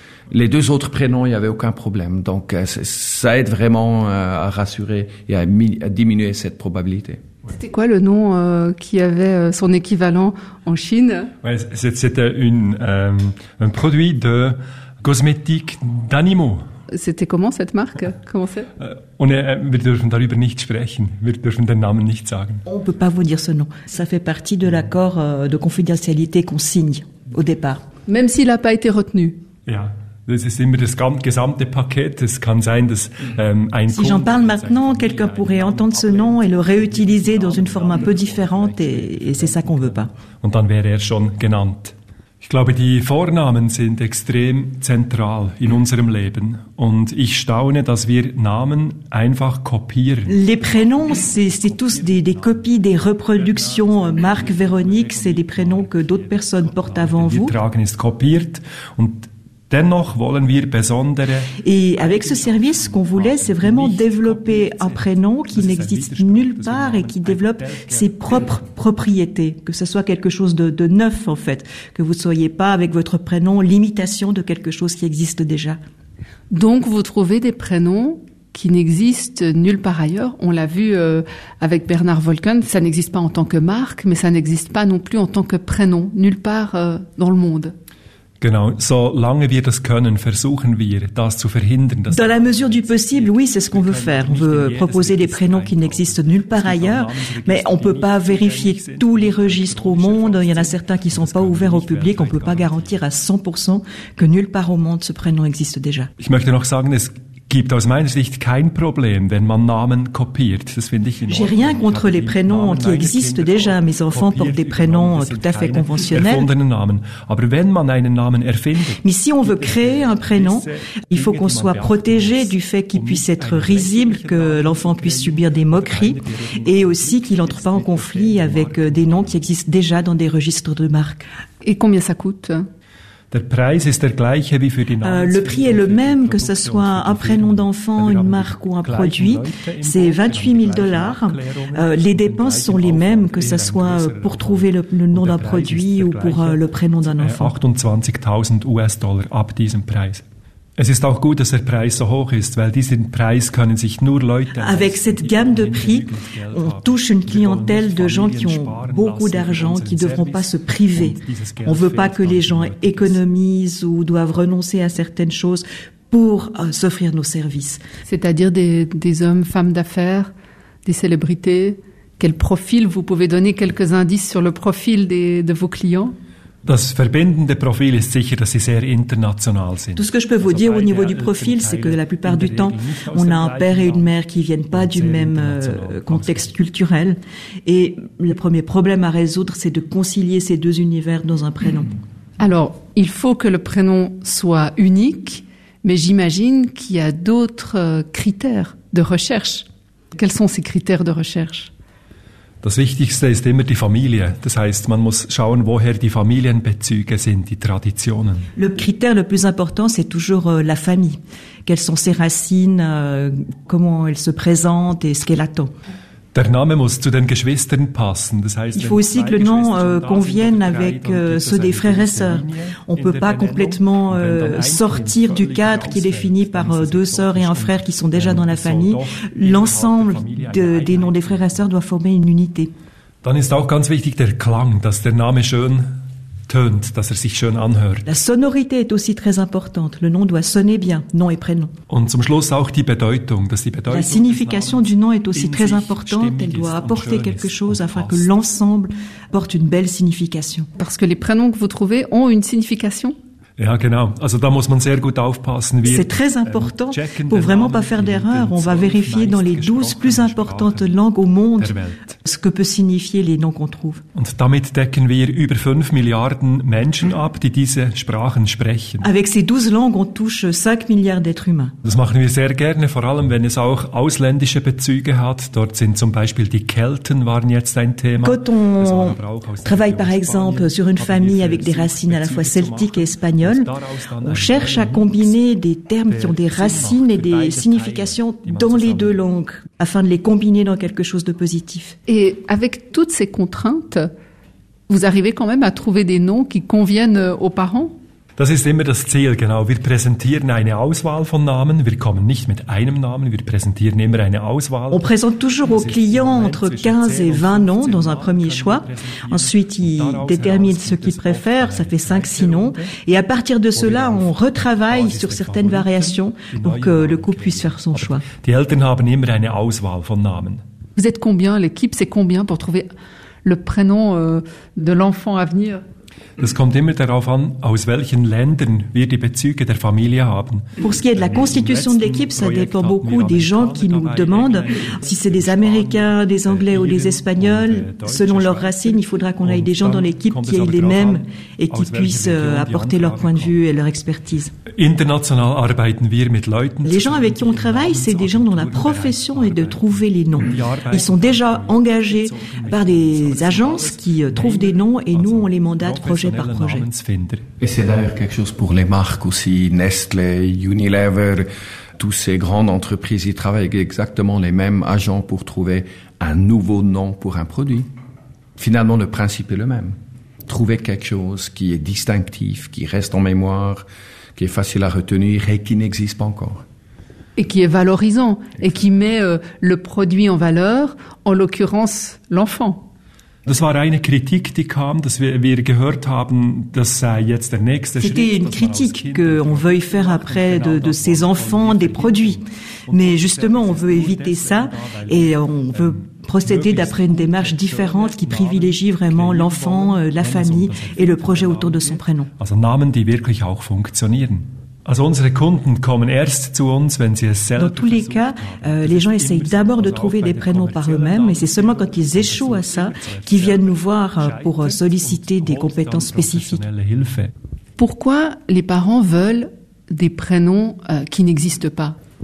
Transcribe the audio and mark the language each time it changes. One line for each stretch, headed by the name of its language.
French: Les deux autres prénoms, il n'y avait aucun problème. Donc, ça aide vraiment à rassurer et à diminuer cette probabilité. C'était quoi le nom qui avait son équivalent en Chine? Ouais, c'était un produit de cosmétiques d'animaux. C'était comment cette marque? Comment c'est?
German: Wir dürfen darüber nicht sprechen. Wir dürfen den Namen nicht sagen.
French: On ne peut pas vous dire ce nom. Ça fait partie de l'accord de confidentialité qu'on signe au départ. Même s'il n'a pas été retenu.
German: Ja, das ist immer das gesamte Paket. Es kann sein, dass ein
French: Si j'en parle maintenant, quelqu'un pourrait entendre ce nom et le réutiliser dans une forme un peu différente et c'est ça qu'on ne veut pas.
German: Und dann wäre schon genannt. Ich glaube, die Vornamen sind extrem zentral in unserem Leben. Und ich staune, dass wir Namen einfach kopieren.
French: Les prénoms, c'est tous des copies, des reproductions. Marc, Véronique, c'est des prénoms que d'autres personnes portent avant vous.
German: Wir tragen es kopiert und dennoch wollen wir besondere.
French: Et avec ce service, ce qu'on voulait, c'est vraiment développer un prénom qui n'existe nulle part et qui développe ses propres propriétés. Que ce soit quelque chose de neuf, en fait. Que vous ne soyez pas, avec votre prénom, l'imitation de quelque chose qui existe déjà. Donc, vous trouvez des prénoms qui n'existe nulle part ailleurs. On l'a vu avec Bernard Volken, ça n'existe pas en tant que marque, mais ça n'existe pas non plus en tant que prénom, nulle part dans le monde.
German: Genau, solange wir das können, versuchen wir, das zu verhindern.
French: Dans la mesure du possible, oui, c'est ce qu'on veut faire. On veut proposer des prénoms qui n'existent nulle part ailleurs, mais on ne peut pas vérifier tous les registres au monde. Il y en a certains qui ne sont pas ouverts au public. On ne peut pas garantir à 100% que nulle part au monde ce prénom existe déjà.
German: Ich möchte noch sagen, gibt aus meiner Sicht kein Problem, wenn man Namen kopiert. Das finde ich in Ordnung.
French: J'ai rien contre les prénoms qui existent déjà. Mes enfants portent des prénoms tout à fait conventionnels.
German: Erfundenen Namen. Aber wenn man einen Namen erfindet,
French: mais si on veut créer un prénom, il faut qu'on soit protégé du fait qu'il puisse être risible, que l'enfant puisse subir des moqueries et aussi qu'il n'entre pas en conflit avec des noms qui existent déjà dans des registres de marques. Et combien ça coûte?
German: Der Preis ist der gleiche wie für die Namen.
French: Le prix est le même, que ce soit un prénom d'enfant, une marque ou un produit. C'est 28 000 $. Les dépenses sont les mêmes, que ce soit pour trouver le nom d'un produit ou pour le prénom d'un enfant.
German: 28 000 $ ab diesem Preis. Es ist auch gut, dass der Preis so hoch ist, weil diesen Preis können sich nur Leute.
French: Avec cette gamme de prix, on touche une clientèle de gens qui ont beaucoup d'argent, qui ne devront pas se priver. On ne veut pas que les gens économisent ou doivent renoncer à certaines choses pour s'offrir nos services. C'est-à-dire des hommes, femmes d'affaires, des célébrités. Quel profil? Vous pouvez donner quelques indices sur le profil de vos clients?
German: Das verbindende Profil ist sicher, dass sie sehr international sind.
French: Tout ce que je peux vous dire au niveau du profil, c'est que la plupart du temps, on a un père et une mère qui viennent pas du même contexte culturel. Et le premier problème à résoudre, c'est de concilier ces deux univers dans un prénom. Alors, il faut que le prénom soit unique, mais j'imagine qu'il y a d'autres critères de recherche. Quels sont ces critères de recherche?
German: Das Wichtigste ist immer die Familie. Das heißt, man muss schauen, woher die Familienbezüge sind, die Traditionen.
French: Le critère le plus important, c'est toujours la famille. Quelles sont ses racines, comment elle se présente et ce qu'elle attend.
German: Der Name muss zu den Geschwistern passen. Das heißt,
French: il faut aussi que le nom convienne avec ceux des frères et sœurs. On ne peut pas complètement sortir du cadre qui est défini par deux sœurs et un frère qui sont déjà dans la famille. L'ensemble des noms des frères et sœurs doit former une unité.
German: Dann ist auch ganz wichtig der Klang, dass der Name schön tönt, dass sich schön anhört.
French: La sonorité est aussi très importante. Le nom doit sonner bien, nom et prénom.
German: Und zum Schluss auch die Bedeutung, dass die Bedeutung.
French: La signification du nom est aussi très importante. Elle doit apporter quelque chose afin que l'ensemble porte une belle signification. Parce que les prénoms que vous trouvez ont une signification.
German: Ja, genau. Also da muss man sehr gut aufpassen.
French: C'est très important pour vraiment pas faire d'erreur. On va vérifier dans les 12 plus importantes langues au monde ce que peut signifier les noms qu'on trouve.
German: Und damit decken wir über 5 Milliarden Menschen ab, die diese Sprachen sprechen.
French: Avec ces 12 langues, on touche 5 milliards d'êtres humains.
German: Das machen wir sehr gerne, vor allem wenn es auch ausländische Bezüge hat. Dort sind zum Beispiel die Kelten waren jetzt ein Thema.
French: Quand on travaille par exemple sur une famille avec des racines à la fois celtiques et espagnoles, on cherche à combiner des termes qui ont des racines et des significations dans les deux langues afin de les combiner dans quelque chose de positif. Et avec toutes ces contraintes, vous arrivez quand même à trouver des noms qui conviennent aux parents?
German: Das ist immer das Ziel, genau. Wir präsentieren eine Auswahl von Namen. Wir kommen nicht mit einem Namen, wir präsentieren immer eine Auswahl.
French: On présente toujours aux clients entre 15 et 20 noms dans un premier choix. Ensuite, ils déterminent ce qu'ils préfèrent, ça fait 5-6 noms. Et à partir de cela, on retravaille sur certaines variations pour que le couple puisse faire son choix.
German: Die Eltern haben immer eine Auswahl von Namen.
French: Vous êtes combien, l'équipe, c'est combien pour trouver le prénom de l'enfant à venir?
German: Das kommt immer darauf an, aus welchen Ländern wir die Bezüge der Familie haben.
French: Pour ce qui est de la constitution d'équipe, ça dépend beaucoup des gens qui nous demandent si c'est des Américains, des Anglais ou des Espagnols. Selon leurs racines, il faudra qu'on aille des gens dans l'équipe qui aient les mêmes et qui puissent apporter leur point de vue et leur expertise.
German: International arbeiten wir mit Leuten.
French: Les gens avec qui on travaille, c'est des gens dont la profession est de trouver les noms. Ils sont déjà engagés par des agences qui trouvent des noms et nous, on les mandate projet par projet. Et c'est d'ailleurs quelque chose pour les marques aussi, Nestlé, Unilever, toutes ces grandes entreprises, ils travaillent avec exactement les mêmes agents pour trouver un nouveau nom pour un produit. Finalement, le principe est le même. Trouver quelque chose qui est distinctif, qui reste en mémoire, qui est facile à retenir et qui n'existe pas encore. Et qui est valorisant, et qui met le produit en valeur, en l'occurrence l'enfant. C'était une critique qu'on veuille faire après de ces enfants des produits. Mais justement, on veut éviter ça et on veut procéder d'après une démarche différente qui privilégie vraiment l'enfant, la famille et le projet autour de son prénom.
German: Also Namen, die wirklich auch funktionieren. Also unsere Kunden kommen erst zu uns, wenn sie es selber.
French: Dans tous les cas, les gens essayent d'abord de trouver des prénoms par eux-mêmes, et c'est seulement quand ils échouent à ça qu'ils viennent nous voir pour solliciter des compétences spécifiques. Pourquoi les parents veulent des prénoms qui n'existent pas?